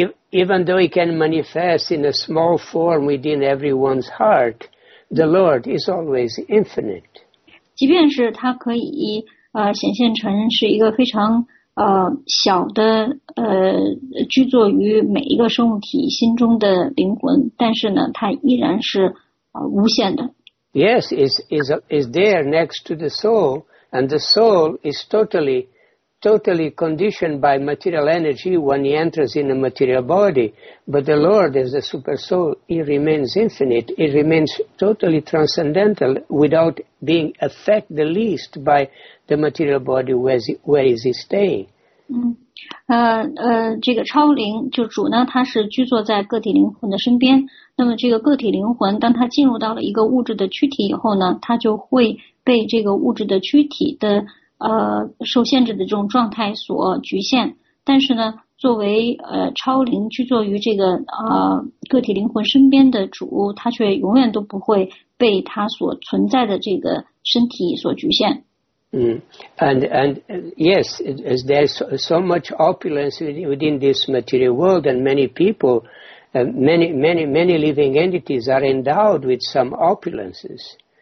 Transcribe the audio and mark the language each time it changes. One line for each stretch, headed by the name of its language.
English: Even though he can manifest in a small form within everyone's heart, the Lord is always infinite.
Chinese: 即便是他可以显现成是一个非常小的居住于每一个生物体心中的灵魂，但是呢，他依然是无限的。
English: Yes, is there next to the soul, and the soul is totally conditioned by material energy when he enters in a material body, but the Lord is the super soul. He remains infinite. He remains totally transcendental without being affected the least by the material body where is he staying.
Chinese: 这个超灵就主呢，他是居住在个体灵魂的身边。那么这个个体灵魂，当他进入到了一个物质的躯体以后呢，他就会被这个物质的躯体的受限制的这种状态所局限，但是呢，作为超灵居住于这个个体灵魂身边的主，他却永远都不会被他所存在的这个身体所局限。
English: And yes, as there's so much opulence within this material world, and many people, many living entities are endowed with some opulences.